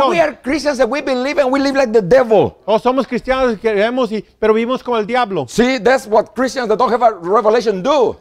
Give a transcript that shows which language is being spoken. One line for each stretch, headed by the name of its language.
English: Oh, we are Christians and we believe and we live like the devil.
Spanish: Oh, somos cristianos y creemos, pero vivimos como el diablo.
English: See, that's what Christians that don't have a revelation do.